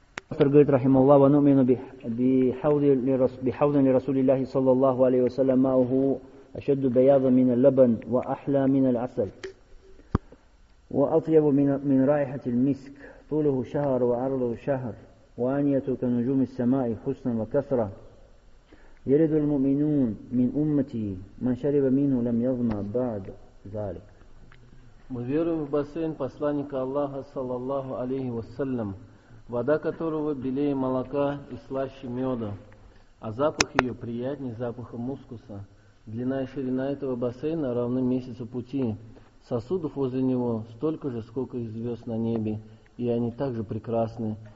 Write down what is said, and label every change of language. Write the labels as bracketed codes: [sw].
[ru] Автор говорит, [ar] рахималлах, ванумину бихаудин ли Расулиллахи, саллаллаху алейхи ва саллям, ауху ашадду баядан мин аль-лабан, ва ахля мин аль-асаль. وأطيب من رائحة المسك طوله شهر وعرضه شهر وآنيته كنجوم السماء حسنا وكثرة يرد المؤمنون من أمتي من شرب منه لم يظما بعد ذلك. [ru] Мы верим в бассейн посланника Аллаха саллаллаху алейхи вассалям, вода которого белее молока и слаще меда, а запах ее приятнее запаха мускуса. Длина и ширина этого бассейна равны месяцу пути. Сосудов возле него столько же, сколько и звезд на небе, и они также прекрасны.